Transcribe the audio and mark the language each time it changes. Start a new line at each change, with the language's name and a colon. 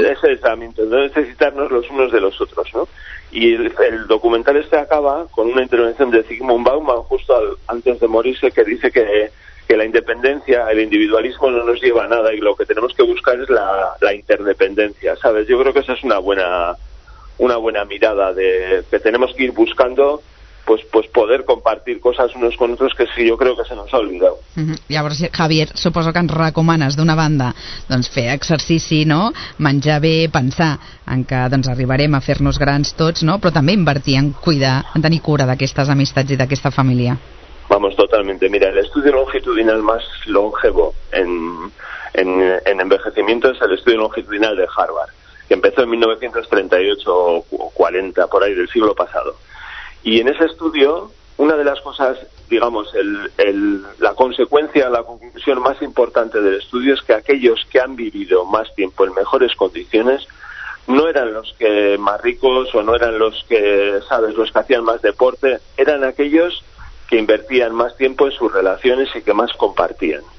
Spanish: De ese aislamiento, de no necesitarnos los unos de los otros, ¿no? Y el documental este acaba con una intervención de Zygmunt Bauman justo antes de morirse, que dice que la independencia, el individualismo no nos lleva a nada, y lo que tenemos que buscar es la interdependencia, ¿sabes? Yo creo que esa es una buena mirada de que tenemos que ir buscando pues poder compartir
Catalan: coses uns
Spanish: con altres, que sí,
Catalan: jo crec
Spanish: que se nos ha
Catalan: oblidat. Uh-huh. Llavors, Javier, suposo que ens recomanes, d'una banda, doncs fer exercici, no?, menjar bé, pensar en que doncs arribarem a fer-nos grans tots, no?, però també invertir en cuidar, en tenir cura d'aquestes amistats i d'aquesta família.
Spanish: Vamos, totalmente. Mira, el estudio longitudinal más longevo en envejecimiento es el estudio longitudinal de Harvard, que empezó en 1938 o 40, por ahí del siglo pasado. Y en ese estudio, una de las cosas, digamos, la consecuencia, la conclusión más importante del estudio es que aquellos que han vivido más tiempo en mejores condiciones no eran los que más ricos, o no eran los que, ¿sabes?, los que hacían más deporte, eran aquellos que invertían más tiempo en sus relaciones y que más compartían.